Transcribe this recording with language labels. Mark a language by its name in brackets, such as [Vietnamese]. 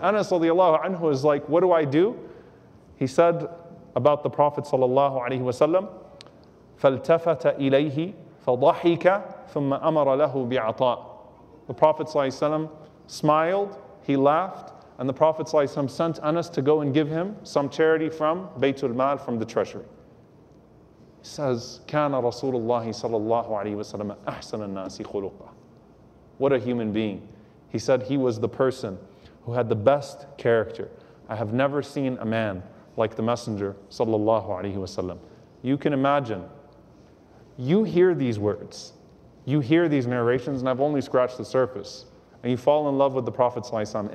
[English] Anas radiallahu anhu is like, what do I do? He said about the Prophet sallallahu alaihi wasallam, [Arabic] فَالْتَفَتَ إِلَيْهِ فَضَحِكَ ثُمَّ أَمَرَ لَهُ بِعَطَاءِ. [English] The Prophet sallallahu alaihi wasallam smiled, he laughed, and the Prophet sallallahu alaihi wasallam sent Anas to go and give him some charity from Baytul Mal, from the treasury. He says, [Arabic] كَانَ رَسُولُ اللَّهِ sallallahu alaihi wasallam أَحْسَنَ النَّاسِ خُلُقًا. [English] What a human being. He said he was the person who had the best character. I have never seen a man like the Messenger sallallahu alaihi wasallam. You can imagine, you hear these words, you hear these narrations, and I've only scratched the surface, and you fall in love with the Prophet sallallahu alaihi wasallam.